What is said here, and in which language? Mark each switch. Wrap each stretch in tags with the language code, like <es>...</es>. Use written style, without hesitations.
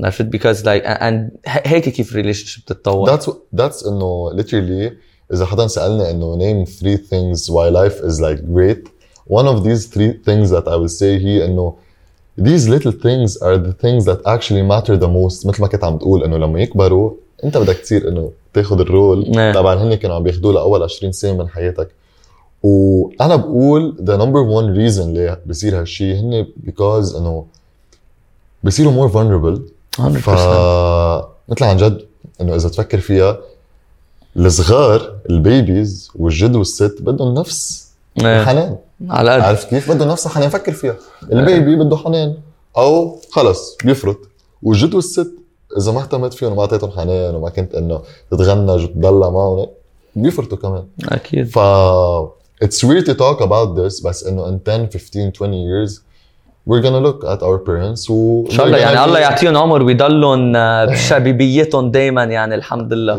<en>Because like, and هيك كيف relationship تتطور. That's إنه literally, إذا حدا سألني إنه name three things why life is like great, one of these three things that I will say هي إنه these little things are the things that actually matter the most.</en> <ar>مثل ما كنت عم تقول إنه لما يكبروا, أنت بدك كتير إنه تاخد الرول. طبعاً هني كانوا عم بياخدوه لأول 20 سنة من حياتك. وأنا بقول the number one reason ليه بصير هالشي هني because إنه بصيروا more vulnerable 100% فمثل عن جد إنه إذا تفكر فيها الصغار البيبيز والجد والست بدهم نفس حنان على قد عارف كيف بدهم نفس حنان فكر فيها البيبي بده حنان أو خلص بيفرط والجد والست إذا ما اهتمت فيهم وما عطيتهم حنان وما كنت إنه تتغنج وتضلع معهم بيفرطوا كمان أكيد</ar> <en>ف It's weird to talk about this, but you know, in 10, 15, 20 years, we're gonna look at our parents who.</en> <ar>Inshallah, يعني الله يعطيهم عمر ويضلهم بشبابيتهم دائما يعني الحمد لله.</ar>